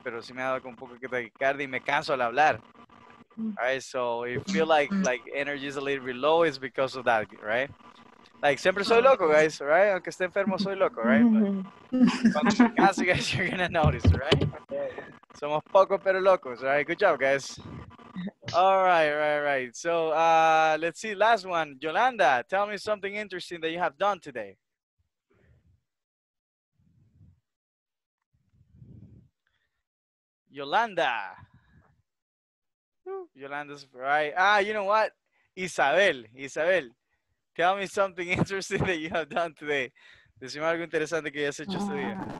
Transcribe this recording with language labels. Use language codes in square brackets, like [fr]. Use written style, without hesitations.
[es] Pero sí me ha dado como un poco de taquicardia y me canso al hablar. [en] All right, so you feel like energy is a little bit low, it's because of that, right? Like, siempre soy loco, guys, right? Aunque esté enfermo, soy loco, right? But when you're casi, guys, you're gonna notice, right? Somos poco pero locos, right? Good job, guys. All right, right, right. So, let's see, last one. Yolanda, tell me something interesting that you have done today. Yolanda. Yolanda's right. Ah, you know what? Isabel. Tell me something interesting that you have done today. [es] Decime algo interesante que hayas hecho este día.